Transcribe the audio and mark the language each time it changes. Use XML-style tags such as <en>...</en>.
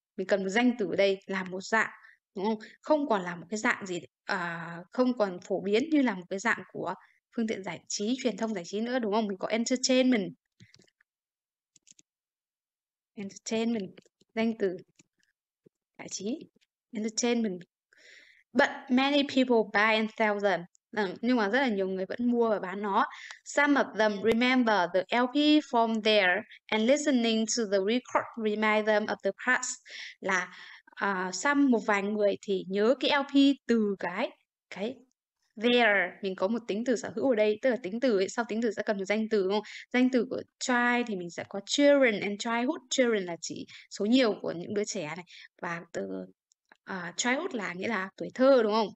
<vi>Mình cần một danh từ ở đây là một dạng, đúng không? Không còn là một cái dạng gì, không còn phổ biến như là một cái dạng của phương tiện giải trí, truyền thông giải trí nữa, đúng không? Mình có entertainment, entertainment danh từ giải trí, entertainment.</vi> <en>But many people buy and sell them.</en> <vi>Nhưng mà rất là nhiều người vẫn mua và bán nó.</vi> <en>Some of them remember the LP from there and listening to the record remind them of the past.</en> <vi>Là some, một vài người thì nhớ cái LP từ cái there. Mình có một tính từ sở hữu ở đây, tức là tính từ ấy, sau tính từ sẽ cần một danh từ, đúng không? Danh từ của child thì mình sẽ có children and childhood. Children là chỉ số nhiều của những đứa trẻ này, và từ childhood là nghĩa là tuổi thơ, đúng không?</vi>